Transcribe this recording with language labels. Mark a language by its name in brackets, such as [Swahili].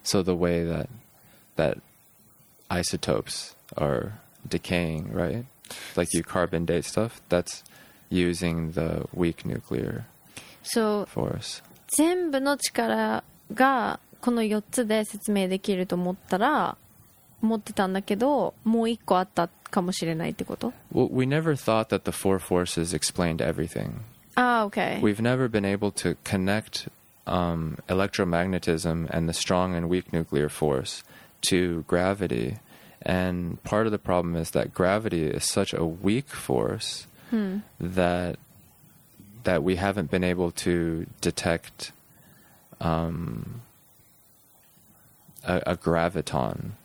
[English] So the way that isotopes are decaying, right? Like you carbon date stuff, that's using the weak nuclear force. [Japanese] 全部の力がこの4つで説明できると思ってたんだけど、もう1個あったかもしれないってこと? [English] Well, we never thought that the 4 forces explained everything. Ah, okay. We've never been able to connect electromagnetism and the strong and weak nuclear force to gravity. And part of the problem is that gravity is such a weak force that we haven't been able to detect a graviton.